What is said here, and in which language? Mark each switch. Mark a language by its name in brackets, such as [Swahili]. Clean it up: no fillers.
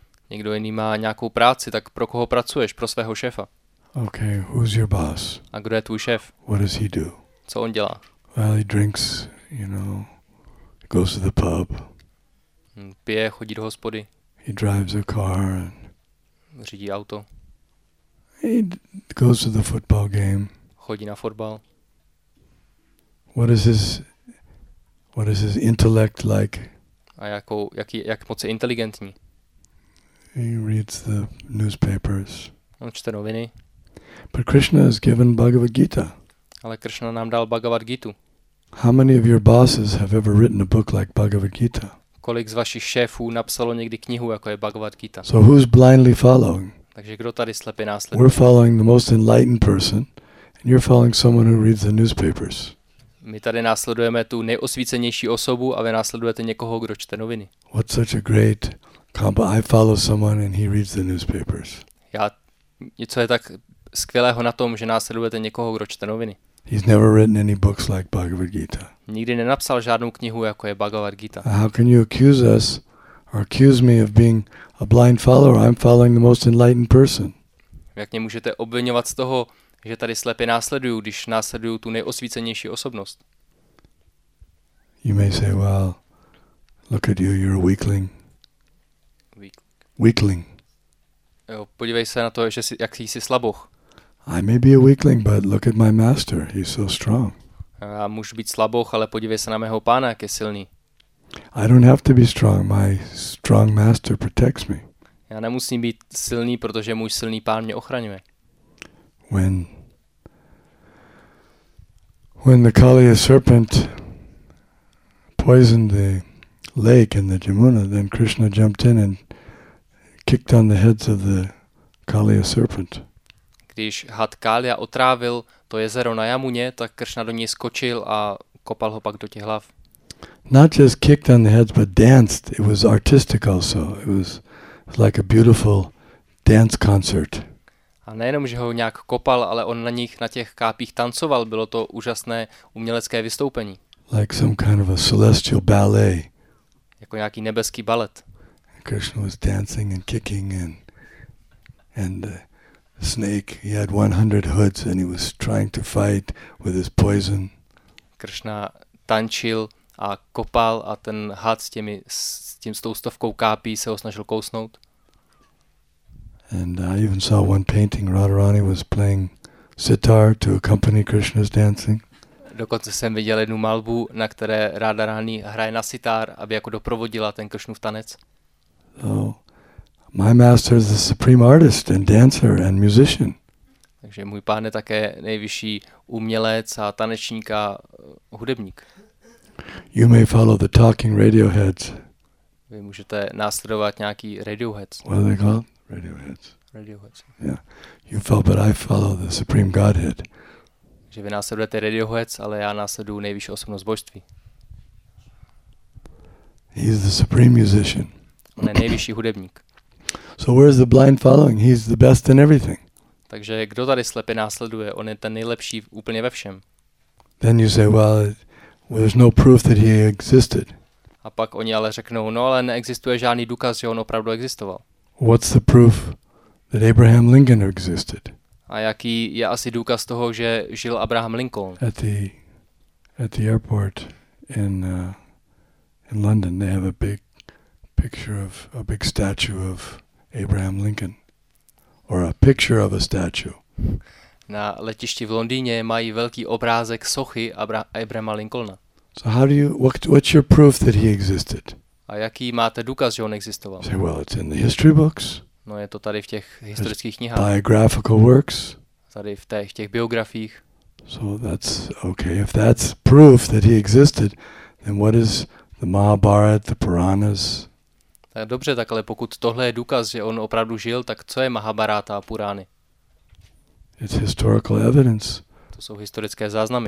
[Czech] Někdo jiný má nějakou práci, tak pro koho pracuješ? Pro svého šéfa. [English] Okay, who's your boss? [Czech] A kdo je tvůj šéf? [English] What does he do? [Czech] Co on dělá? [English] Well, he drinks, you know. Goes to the pub. [Czech] Pije, chodí do hospody. [English] He drives a car and [Czech] řídí auto. [English] He goes to the football game. [Czech] Chodí na fotbal. [English] What is his intellect like? [Czech] A jak moc je inteligentní? [English] He reads the newspapers. [Czech] On čte noviny. [English] But Krishna has given Bhagavad Gita. [Czech] Ale Krishna nám dal Bhagavad Gitu. [English] How many of your bosses have ever written a book like Bhagavad Gita? [Czech] Kolik z vašich šéfů napsalo někdy knihu jako je Bhagavad Gita? [English] So who's blindly following? [Czech] Takže kdo tady slepě následuje? [English] We're following the most enlightened person, and you're following someone who reads the newspapers. [Czech] My tady následujeme tu nejosvícenější osobu, a vy následujete někoho, kdo čte noviny. [English] What's such a great combo? I follow someone, and he reads the newspapers. [Czech] Já něco je tak skvělého na tom, že následujete někoho, kdo čte noviny. [English] He's never written any books like Bhagavad Gita. [Czech] Nikdy nenapsal žádnou knihu jako je Bhagavad Gita. [English] How can you accuse us or accuse me of being a blind follower? I'm following the most enlightened person. [Czech] Jak mě můžete obviňovat z toho, že tady slepě následuju, když následuju tu nejosvícenější osobnost? [English] You may say, well, look at you, you're a weakling. [Czech] Weakling. Jo, podívej se na to, jaký jsi slaboch. [English] I may be a weakling, but look at my master, he's so strong. [Czech] Já můžu být slabouch, ale podívej se na mého pána, jak je silný. [English] I don't have to be strong, my strong master protects me. [Czech] Já nemusím být silný, protože můj silný pán mě ochraňuje. [English] When the Kaliya serpent poisoned the lake in the Jamuna, then Krishna jumped in and kicked on the heads of the Kaliya serpent. [Czech] Když had Kalia otrávil to jezero na Jamuně, tak Krishna do něj skočil a kopal ho pak do těch hlav. [English] Not just kicked on the heads, but danced. It was artistic also. It was like a beautiful dance concert. [Czech] A nejenom, že ho nějak kopal, ale on na nich, na těch kápích tancoval. Bylo to úžasné umělecké vystoupení. [English] Like some kind of a celestial ballet. [Czech] Jako nějaký nebeský balet. [English] Krishna was dancing and kicking and the snake, he had 100 hoods and he was trying to fight with his poison. [Czech] Krishna tančil a kopal a ten had s těmi, s tím stovkou kápí se ho snažil kousnout. [English] And I even saw one painting, Radharani was playing sitar to accompany Krishna's dancing. [Czech] Dokonce jsem viděl jednu malbu, na které Radharani hraje na sitar, aby jako doprovodila ten Krishnův tanec. [English] So, my master is the supreme artist and dancer and musician. [Czech] Takže můj pán je také nejvyšší umělec a tanečník a hudebník. [English] You may follow the talking radioheads. [Czech] Vy můžete následovat nějaký radioheads. [English] What are they called? Radioheads. Radioheads. Yeah. You follow, but I follow the supreme godhead. [Czech] Že vy následujete radioheads, ale já následuji nejvyšší osobnost božství. [English] He's the supreme musician. [Czech] On je nejvyšší hudebník. [English] So where is the blind following? He's the best in everything. [Czech] Takže kdo tady slepě následuje? On je ten nejlepší úplně ve všem. [English] Then you say, well, there's no proof that he existed. [Czech] A pak oni ale řeknou, no ale neexistuje žádný důkaz, že on opravdu existoval. [English] What's the proof that Abraham Lincoln existed? [Czech] A jaký je asi důkaz toho, že žil Abraham Lincoln? [English] At the airport in London, they have a big picture of a big statue of Abraham Lincoln, or a picture of a statue. [Czech] Na letišti v Londýně mají velký obrázek sochy Abrahama Lincolna. [English] So how do you, what's your proof that he existed? [Czech] A jaký máte důkaz, že on existoval? [English] Say, well, it's in the history books. [Czech] No, je to tady v těch historických knihách. [English] Biographical works. [Czech] Tady v těch biografiích. [English] So that's okay. If that's proof that he existed, then what is the Mahabharat, the Puranas? [Czech] Tak dobře, tak ale pokud tohle je důkaz, že on opravdu žil, tak co je Mahabharata a Purány? [English] It's historical evidence. [Czech] To jsou historické záznamy.